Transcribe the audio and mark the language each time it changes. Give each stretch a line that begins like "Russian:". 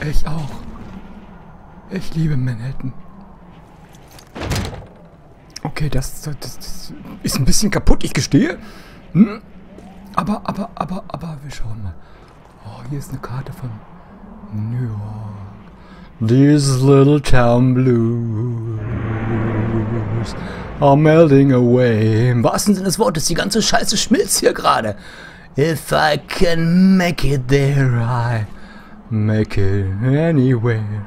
German: Ich auch. Ich liebe Manhattan. Okay, das ist ein bisschen kaputt, ich gestehe. Hm? Aber, wir schauen mal. Oh, hier ist eine Karte von New York.
English: These little town blues are melting away.
German: Im wahrsten Sinne des Wortes, die ganze Scheiße schmilzt hier gerade.
English: If I can make it there, I make it anywhere.